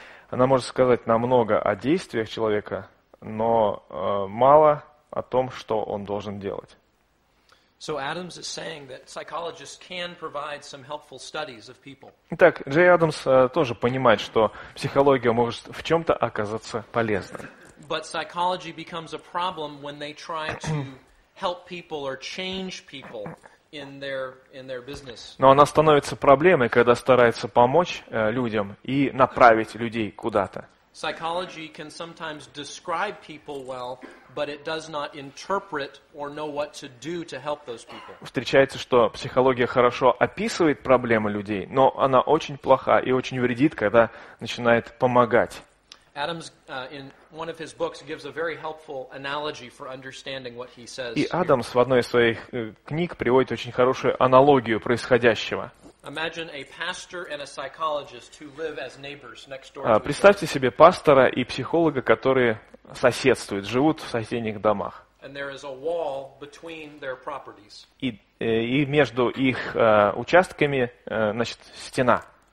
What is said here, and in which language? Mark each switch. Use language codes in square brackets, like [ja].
[ru] Она может сказать намного о действиях человека, но мало о том, что он должен делать. Итак, Джей Адамс тоже понимает, что психология может в чем-то оказаться полезной. [en] But psychology becomes a problem when they try to help people or change people. In their business. [ru] Но она становится проблемой, когда старается помочь людям и направить людей куда-то. [en] Psychology can sometimes describe people well, but it does not interpret or know what to do to help those people. [ru] Встречается, что психология хорошо описывает проблемы людей, но она очень плоха и очень вредит, когда начинает помогать. [en] Adams in one of his books gives a very helpful analogy for understanding what he says. [ru] И Адамс в одной из своих книг приводит очень хорошую аналогию происходящего. [en] Imagine a pastor and a psychologist who live as neighbors next door. [ru] Представьте себе пастора и психолога, которые соседствуют, живут в соседних домах. [en] And there is a wall between their properties. [ru] И между их участками, значит, стена.